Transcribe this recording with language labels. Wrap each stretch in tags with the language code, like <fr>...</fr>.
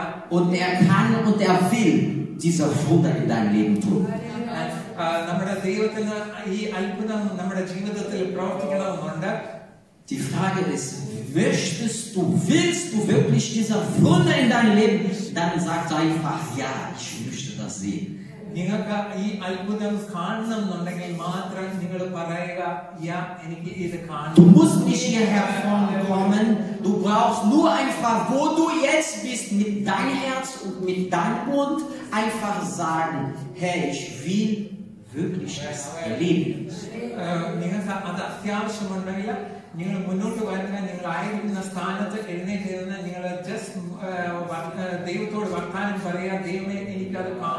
<de>Und er kann und er will dieser Wunder in deinem Leben tun.</de> <ml>നമ്മുടെ ദൈവത്തിന് ഈ അത്ഭുതം നമ്മുടെ ജീവിതത്തിൽ പ്രവർത്തിക്കണമെന്നുണ്ട്</ml> <de>Die Frage ist, willst du wirklich dieser Wunder in deinem Leben? Dann sagst du einfach, ja, ich möchte das sehen.</de> <ml>നിങ്ങൾക്ക് ഈ അത്ഭുതം കാണണമെന്നുണ്ടെങ്കിൽ മാത്രം നിങ്ങൾ പറയുക ja, എനിക്ക് ഇത് കാണണം.</ml> <de>Du musst nicht hierher kommen. Du brauchst nur einfach, wo du jetzt bist, mit deinem Herz und mit deinem Mund einfach sagen, Herr, ich will wirklich das erleben.</de> <ml>നിങ്ങൾക്ക് അത് അത്യാവശ്യമുണ്ടെങ്കിൽ നിങ്ങൾ മുന്നോട്ട് വരുന്ന നിങ്ങൾ ആയിരിക്കുന്ന സ്ഥാനത്ത് എഴുന്നേറ്റ് നിങ്ങൾ ജസ്റ്റ് ദൈവത്തോട് വർത്താനം പറയുക ദൈവമേ എനിക്കത്</ml>